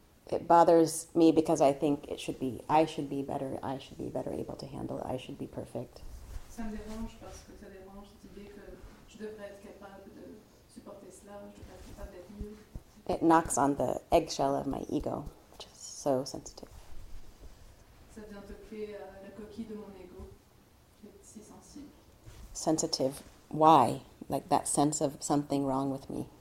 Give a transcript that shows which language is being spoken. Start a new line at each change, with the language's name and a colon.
English: It bothers me because I think it should be, I should be better able to handle it, I should be perfect.
French: Ça me dérange parce que ça dérange l'idée que je devrais être capable de supporter cela, je devrais être capable d'être mieux.
English: It knocks on the eggshell of my ego, which is so sensitive.
French: Ça vient toquer à la coquille de mon ego, qui est si sensible.
English: Sensitive, why? Like that sense of something wrong with me.